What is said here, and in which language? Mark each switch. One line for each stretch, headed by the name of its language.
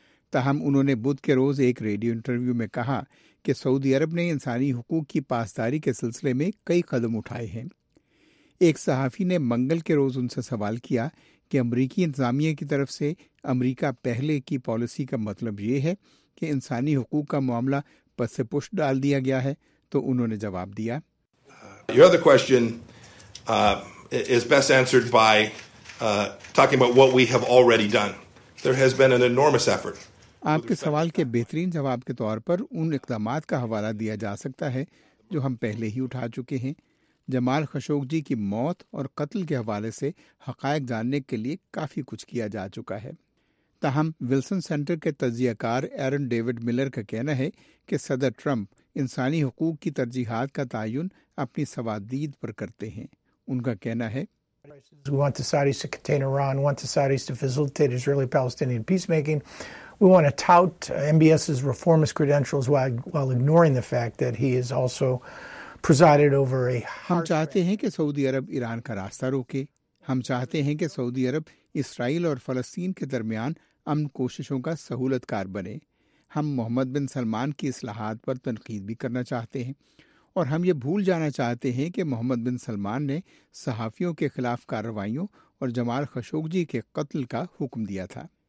Urdu: تاہم انہوں نے بدھ کے روز ایک ریڈیو انٹرویو میں کہا کہ سعودی عرب نے انسانی حقوق کی پاسداری کے سلسلے میں کئی قدم اٹھائے ہیں. ایک صحافی نے منگل کے روز ان سے سوال کیا کہ امریکی انتظامیہ کی طرف سے امریکہ پہلے کی پالیسی کا مطلب یہ ہے کہ انسانی حقوق کا معاملہ پس پشت ڈال دیا گیا ہے, تو انہوں نے جواب دیا,
English: Your other question is best answered by talking about what we have already done. There has been an enormous effort.
Urdu: آپ کے سوال کے بہترین جواب کے طور پر ان اقدامات کا حوالہ دیا جا سکتا ہے جو ہم پہلے ہی اٹھا چکے ہیں. جمال خشوق جی کی موت اور قتل کے حوالے سے حقائق جاننے کے لیے کافی کچھ کیا جا چکا ہے. تاہم ولسن سینٹر کے تجزیہ کار ایرن ڈیوڈ ملر کا کہنا ہے کہ صدر ٹرمپ انسانی حقوق کی ترجیحات کا تعین اپنی سوادید پر کرتے ہیں. ان کا کہنا ہے,
English: We want the Saudis to contain Iran, want the Saudis to facilitate Israeli-Palestinian peacemaking. We want to tout MBS's reformist credentials while ignoring the fact that he is also presided over a
Urdu: ہم چاہتے ہیں کہ سعودی عرب ایران کا راستہ روکے. ہم چاہتے ہیں کہ سعودی عرب اسرائیل اور فلسطین کے درمیان امن کوششوں کا سہولت کار بنے. ہم محمد بن سلمان کی اصلاحات پر تنقید بھی کرنا چاہتے ہیں, اور ہم یہ بھول جانا چاہتے ہیں کہ محمد بن سلمان نے صحافیوں کے خلاف کارروائیوں اور جمال خشوق جی کے قتل کا حکم دیا تھا.